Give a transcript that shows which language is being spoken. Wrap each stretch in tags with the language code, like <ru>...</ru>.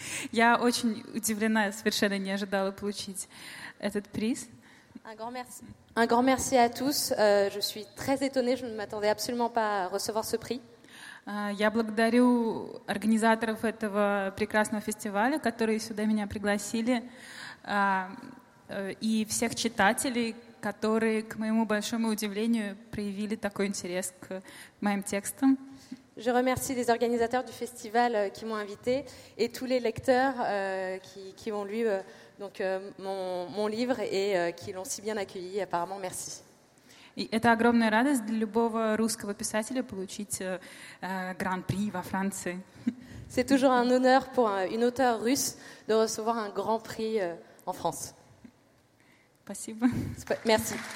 <ru>Я очень удивлена, совершенно не ожидала получить этот приз.</ru> <fr>Un grand merci à tous. Je suis très étonnée, je ne m'attendais absolument pas à recevoir ce prix.</fr> <ru>Я благодарю организаторов этого прекрасного фестиваля, которые сюда меня пригласили, и всех читателей, которые, к моему большому удивлению, проявили такой интерес к моим текстам.</ru> <fr>Je remercie les organisateurs du festival qui m'ont invité et tous les lecteurs qui ont lu donc mon livre et qui l'ont si bien accueilli. Apparemment, merci.</fr> <ru>И это огромная радость для любого русского писателя получить гран-при во Франции.</ru> <fr>C'est toujours un honneur pour une auteure russe de recevoir un grand prix en France.</fr> <ru>Спасибо.</ru> <fr>Merci.</fr>